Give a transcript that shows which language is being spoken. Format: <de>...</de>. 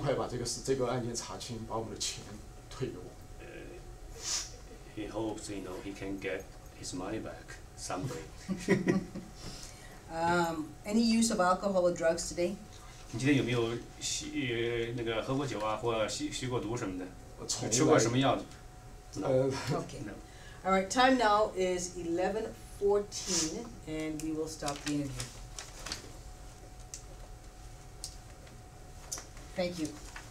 <zh>所以我也希望这个尽快把这个案件查清，把我们的钱退给我。</zh> <en>He hopes, you know, he can get his money back someday. any use of alcohol or drugs today?</en> <zh>你今天有没有喝过酒啊，或吸过毒什么的？吃过什么药？</zh> <en>Okay. All right. Time now is 11:14, and we will stop the interview. Thank you.</en>